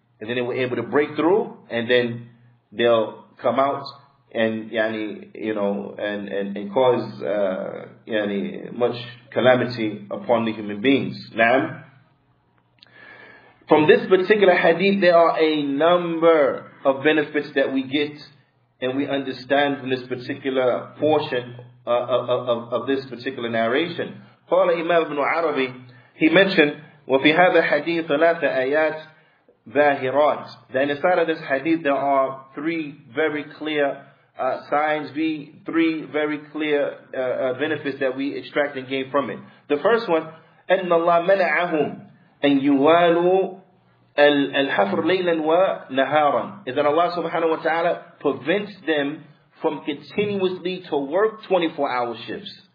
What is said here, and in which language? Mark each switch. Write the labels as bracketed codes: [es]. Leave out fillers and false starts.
[en] And then they were able to break through, and then they'll come out and, yani, you know, and cause, yani, much calamity upon the human beings. Na'am. From this particular hadith, there are a number of benefits that we get and we understand from this particular portion of this particular narration. [ar] قال إمام ابن عربي, [en] he mentioned, [ar] وفي هذا الحديث ثلاثة آيات ظاهرات. [en] That inside of this hadith, there are three very clear signs, three very clear benefits that we extract and gain from it. The first one, [ar] أن الله منعهم أن يوالوا الحفر ليلا ونهارا, [en] is that Allah subhanahu wa ta'ala prevents them from continuously to work 24 hour shifts.